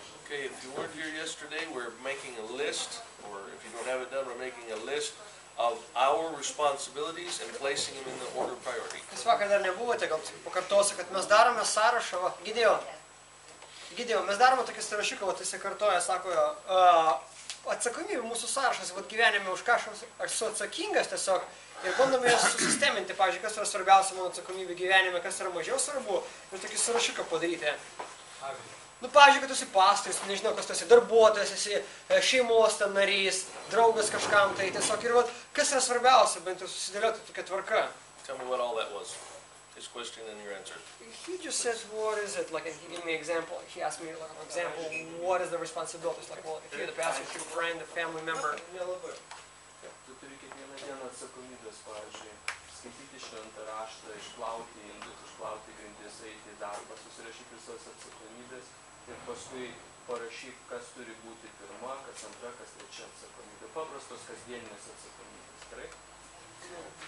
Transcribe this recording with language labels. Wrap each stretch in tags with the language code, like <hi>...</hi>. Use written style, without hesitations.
<en>If you weren't here yesterday, we're making a list, or if you don't have it done, we're making a list of our responsibilities and placing them in the order of priority.</en> <lt>Kas vakar dar nebuvote, gal pakartosiu, kad mes darome sąrašą, va, Gideo, mes darome tokį sąrašiuką, va, tai sikartoja, sako jo, atsakomybė mūsų sąrašas, va, gyvenime už ką aš esu atsakingas tiesiog, ir bandome jas susisteminti, pavyzdžiui, kas yra svarbiausia mano atsakomybė gyvenime, kas yra mažiau svarbu, ir tokį sąrašiuką padaryti. Nu, pavyzdžiui, kad tu esi pastorius, nežinau, kas tu esi, darbuotojas, esi šeimos ten narys, draugas kažkam, tai tiesiog ir vat, kas yra svarbiausia, bent jau susidėlioti tokia tvarka.</lt> <en>Tell me what all that was, his question and your answer. He just said, what is it, like, he gave me an example, he asked me, like, an example, what is the responsibility, like, well, if you're the pastor, if you're a friend, a family member.</en> <lt>Tu turi kiekvieną dieną atsakomybės, pavyzdžiui, skaityti šventą raštą, išplauti indus, išplauti grindis, eiti į darbą, susirašyti visas atsakomybės. Ir paskui parašyk, kas turi būti pirma, kas antra, kas trečia atsakomybė. Paprastos kasdieninės atsakomybės, gerai?</lt>